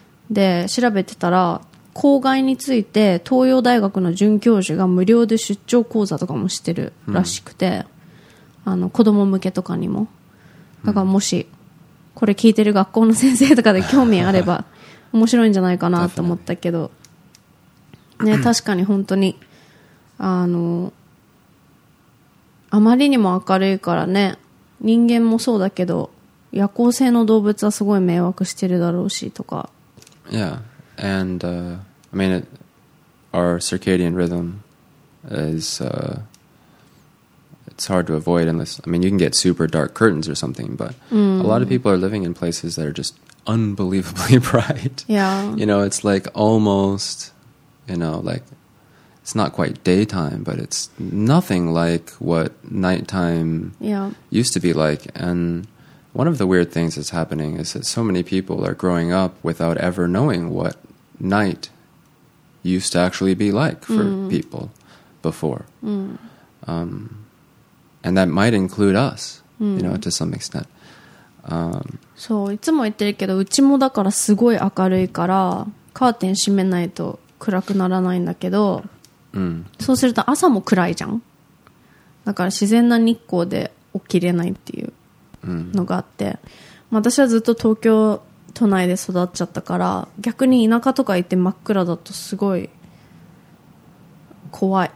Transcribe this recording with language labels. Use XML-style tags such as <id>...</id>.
<ja>で調べてたら公害について東洋大学の准教授が無料で出張講座とかもしてるらしくて、あの子供向けとかにも、だからもしこれ聞いてる学校の先生とかで興味あれば面白いんじゃないかなと思ったけど、ね、確かに本当にあのあまりにも明るいからね、人間もそうだけど夜行性の動物はすごい迷惑してるだろうしとか。</ja> <en>Yeah, and I mean it, our circadian rhythm is it's hard to avoid unless, I mean you can get super dark curtains or something, but a lot of people are living in places that are just unbelievably bright. Yeah. You know, it's like almost, you know, like,It's not quite daytime, but it's nothing like what nighttime used to be like. And one of the weird things that's happening is that so many people are growing up without ever knowing what night used to actually be like for people before. And that might include us, you know, to some extent.</en> <ja>そう、いつも言ってるけど、うちもだからすごい明るいから、カーテン閉めないと暗くならないんだけど、そうすると朝も暗いじゃん。だから自然な日光で起きれないっていうのがあって、私はずっと東京都内で育っちゃったから、逆に田舎とか行って真っ暗だとすごい怖い。</ja>